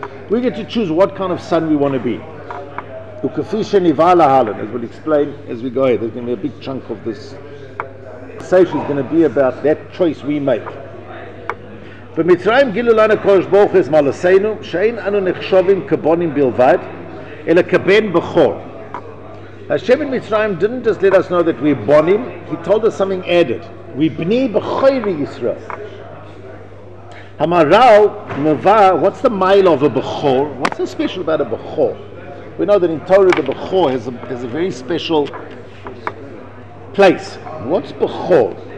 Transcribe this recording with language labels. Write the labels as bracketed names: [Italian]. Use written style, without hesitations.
[English] We get to choose what kind of son we want to be. As we'll explain as we go ahead, there's going to be a big chunk of this. The conversation is going to be about that choice we make. [Hebrew] במצרים גילו לנו קדוש ברוך הוא מעלתנו שאין אנו נחשבים כבנים בלבד אלא כבן בכור. [English] Hashem in Mitzrayim didn't just let us know that we're bonim, he told us something added. We [Hebrew] bni b'chori Yisrael. [English] Hamaral meva, what's the mile of a b'chor? What's so special about a b'chor? We know that in Torah the b'chor has a very special place. What's b'chor?